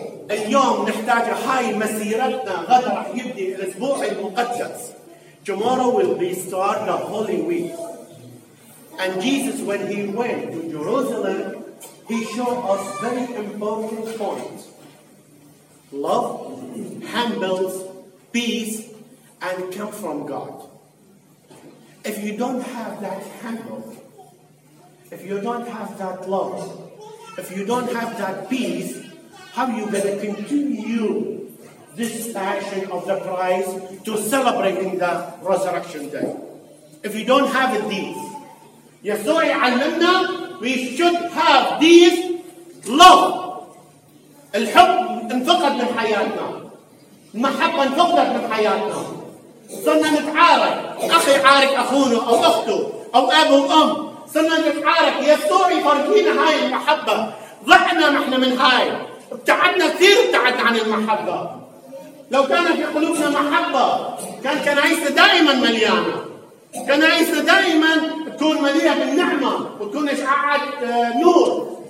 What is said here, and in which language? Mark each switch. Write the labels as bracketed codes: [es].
[ar] اليوم نحتاج هاي مسيرتنا غدا رح يبدي الأسبوع المقدس [en] Tomorrow will be start the Holy Week And Jesus when he went to Jerusalem he showed us very important points Love handles Peace and come from God. If you don't have that handle, if you don't have that love, if you don't have that peace, how are you going to continue this passion of the Christ to celebrating the resurrection day? If you don't have these, [ar] يسوع علمنا, [en] we should have these love. [ar] الحب انفقد من حياتنا. المحبة انفقدت من حياتنا. صرنا نتعارك، أخي عارك أخونه أو أخته أو أبو أم، صرنا نتعارك. يسوع يفرجينا هاي المحبة، ضحنا نحن من هاي، ابتعدنا كثير، ابتعدنا عن المحبة. لو كانت في قلوبنا محبة كان كنائسة دائما مليانة، كنائسة دائما تكون مليئة بالنعمة وتكون إشعاعات نور.